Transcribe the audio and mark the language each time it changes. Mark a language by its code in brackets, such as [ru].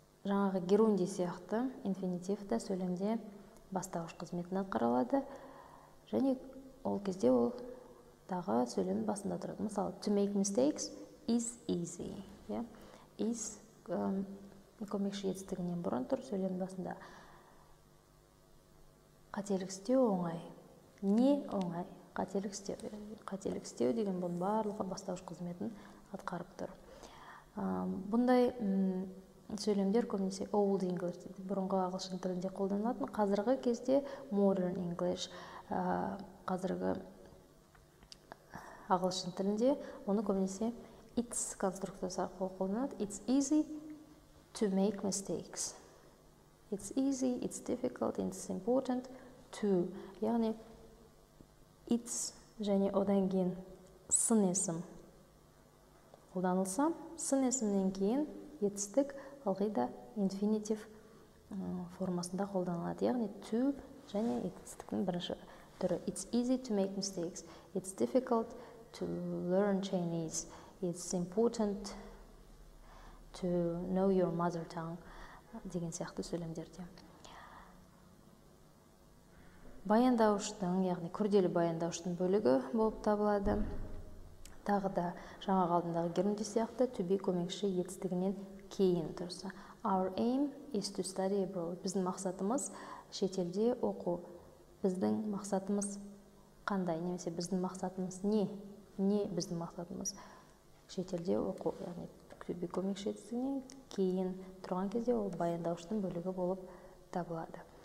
[kk] Жаңағы герунди сияқты инфинитив да сөйлемде бастауыш қызметін атқаралады. Және ол кезде ол тағы сөйлемнің басында тұрады. [en] Мысалы, to make mistakes is easy. Yeah? [kk] Is көмекші етістігінен бұрын тұр сөйлемнің басында. Қателік істеу оңай. Не оңай? Қателік істеу. Қателік істеу деген бұл барлығы бастауыш қызметін атқарып тұр. Бұндай сөйлемдер көбінесе old English дейді. Бұрынғы ағылшын тілінде қолданылатын. Қазіргі кезде modern English. Қазіргі ағылшын тілінде оны көбінесе it's конструкциясы арқылы қолданылады. [en] It's easy to make mistakes. It's easy, it's difficult, it's important. [kk] To, яғни it's және одан кейін сын есім қолданылса, сын есімнен кейін етістік ылғи да инфинитив формасында қолданылады. Яғни to және етістіктің бірінші түрі. [en] It's easy to make mistakes. It's difficult to learn Chinese. It's important to know your mother tongue. [kk] Деген сияқты сөйлемдерде. Баяндауыштың, яғни күрделі баяндауыштың бөлігі болып табылады. Тағы да жаңа қалдындағы герунди сияқты to be көмекші етістігінен кейін тұрса. [en] Our aim is to study abroad. [kk] Біздің мақсатымыз шетелде оқу. Біздің мақсатымыз қандай? Немесе біздің мақсатымыз не? Не біздің мақсатымыз? Шетелде оқу, яғни to be көмекші етістігінен кейін тұрған кезде ол баяндауыштың бөлігі болып табылады.